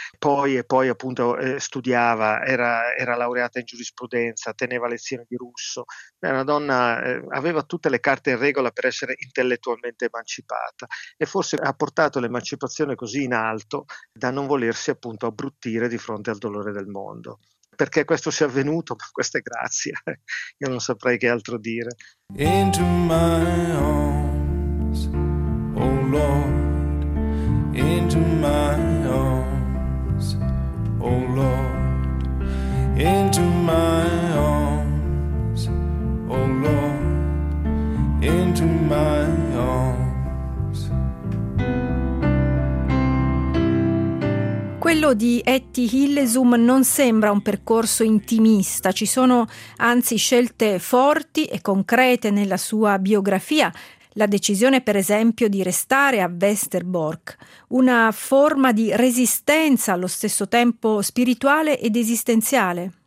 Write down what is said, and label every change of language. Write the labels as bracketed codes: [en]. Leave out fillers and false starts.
[it] poi appunto studiava, era laureata in giurisprudenza, teneva lezioni di russo, era una donna, aveva tutte le carte in regola per essere intellettualmente emancipata e forse ha portato l'emancipazione così in alto da non volersi appunto abbruttire di fronte al dolore del mondo. Perché questo sia avvenuto, questa è grazia. Io non saprei che altro dire. [en] Into my arms, oh Lord, into my arms, oh Lord, into my arms, oh Lord, into my arms. [it] Quello di Eti Illesum non sembra un percorso intimista, ci sono anzi scelte forti e concrete nella sua biografia, la decisione per esempio di restare a Westerbork, una forma di resistenza allo stesso tempo spirituale ed esistenziale.